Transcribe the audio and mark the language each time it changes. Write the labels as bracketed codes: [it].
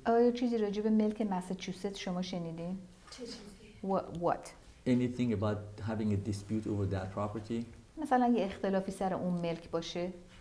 [fa] آیا چیزی راجع به ملک ماساچوستس شما شنیدین؟ [en] What? Anything about having a dispute over that property? [fa] مثلا یه اختلافی سر اون ملک باشه.